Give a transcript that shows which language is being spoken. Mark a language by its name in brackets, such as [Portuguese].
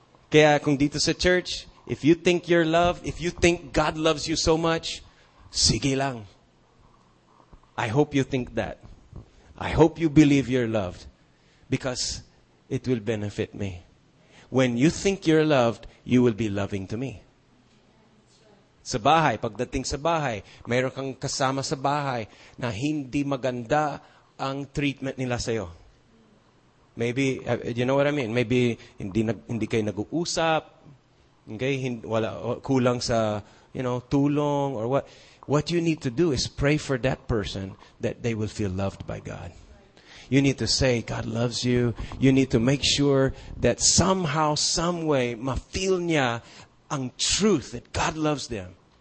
[Filipino] Kaya kung dito sa [English] church, if you think you're loved, if you think God loves you so much, [Filipino] sige lang. [English] I hope you think that. I hope you believe you're loved. Because it will benefit me. When you think you're loved, you will be loving to me. [Filipino] Sa bahay, pagdating sa bahay, mayroon kang kasama sa bahay na hindi maganda ang treatment nila sa'yo. [English] Maybe, you know what I mean? Maybe [Filipino] hindi kayo nag-uusap, [English] okay? [Filipino] Kulang sa, [English] you know, [Filipino] tulong [English] or what. What you need to do is pray for that person that they will feel loved by God. You need to say, God loves you. You need to make sure that somehow, some way, [Filipino] ma-feel niya ang [English] truth that God loves them.